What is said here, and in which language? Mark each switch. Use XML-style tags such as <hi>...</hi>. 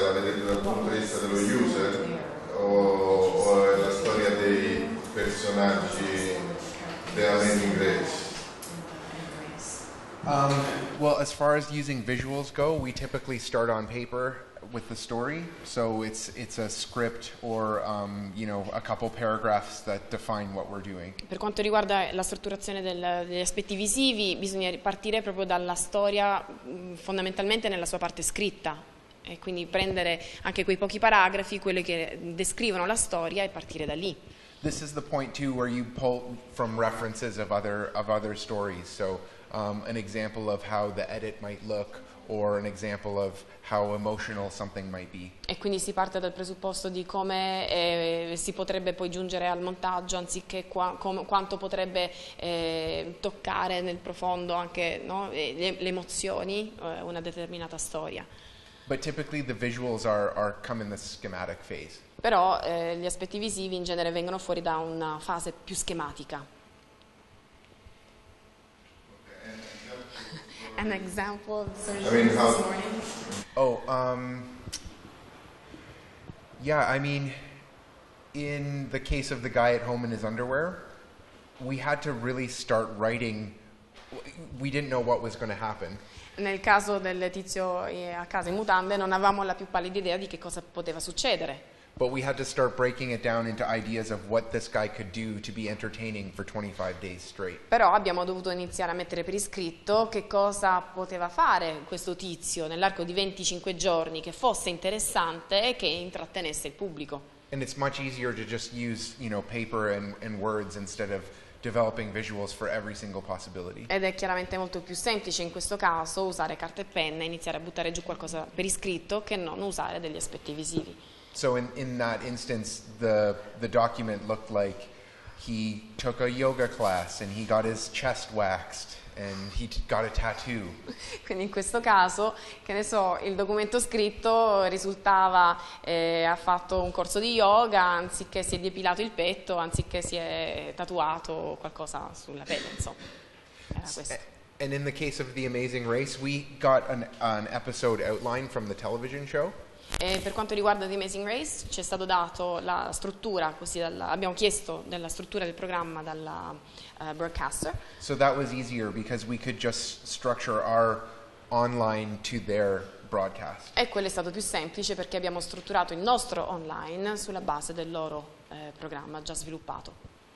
<it>La vedete dal punto di vista dello user o è la storia dei personaggi della Lady Grace?</it> <en>Well, as far as using visuals go, we typically start on paper with the story. So it's a script or you know, a couple paragraphs that define what we're doing.</en> <it>Per quanto riguarda la strutturazione degli aspetti visivi, bisogna partire proprio dalla storia, fondamentalmente nella sua parte scritta, e quindi prendere anche quei pochi paragrafi, quelli che descrivono la storia, e partire da lì.</it> <en>This is the point too where you pull from references of other stories. So an example of how the edit might look, or an example of how emotional something might be.</en> <it>E quindi si parte dal presupposto di come si potrebbe poi giungere al montaggio, anziché quanto potrebbe toccare nel profondo anche, no, le emozioni una determinata storia.</it> <en>But typically the visuals are come in the schematic phase.</en> <it>Però gli aspetti visivi in genere vengono fuori da una fase più schematica.</it> <en>An example of surgery this morning. Oh, yeah, I mean, in the case of the guy at home in his underwear, we had to really start writing. We didn't know what was going to happen.</en> <it>Nel caso del tizio a casa in mutande, non avevamo la più pallida idea di che cosa poteva succedere.</it> <en>But we had to start breaking it down into ideas of what this guy could do to be entertaining for 25 days straight.</en> <it>Però abbiamo dovuto iniziare a mettere per iscritto che cosa poteva fare questo tizio nell'arco di 25 giorni che fosse interessante e che intrattenesse il pubblico.</it> <en>And it's much easier to just use, you know, paper and words instead of developing visuals for every single possibility.</en> <it>Ed è chiaramente molto più semplice in questo caso usare carta e penna e iniziare a buttare giù qualcosa per iscritto che non usare degli aspetti visivi.</it> <en>So in that instance, the document looked like he took a yoga class and he got his chest waxed and he got a tattoo.</en> <it>Quindi in questo caso, che ne so, il documento scritto risultava ha fatto un corso di yoga anziché si è depilato il petto, anziché si è tatuato qualcosa sulla pelle, insomma.</it> <en>And in the case of The Amazing Race, we got an episode outline from the television show.</en> <it>E per quanto riguarda The Amazing Race, ci è stato dato la struttura, così abbiamo chiesto della struttura del programma dalla broadcaster.</it> <en>So that was easier because we could just structure our online to their broadcast.</en> <it>E quello è stato più semplice perché abbiamo strutturato il nostro online sulla base del loro programma già sviluppato.</it>